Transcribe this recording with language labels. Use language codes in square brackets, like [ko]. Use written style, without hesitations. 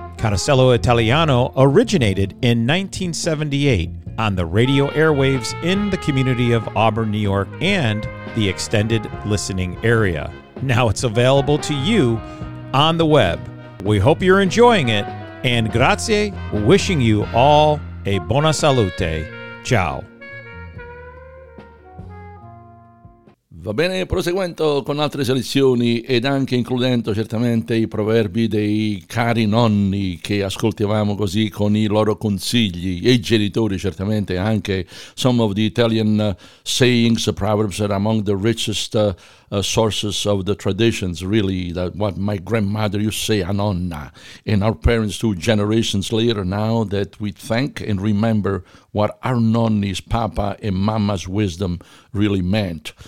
[en] Carosello Italiano originated in 1978 on the radio airwaves in the community of Auburn, New York and the extended listening area. Now it's available to you on the web. We hope you're enjoying it, and grazie, wishing you all a [it] buona salute. Ciao. Va bene, proseguendo con altre selezioni ed anche includendo certamente i proverbi dei cari nonni che ascoltavamo così con i loro consigli e i genitori certamente anche. [en] Some of the Italian sayings, proverbs are among the richest sources of the traditions, really, that what my grandmother used to say, a nonna, and our parents two generations later, now that we thank and remember what our nonni's papa and mama's wisdom really meant.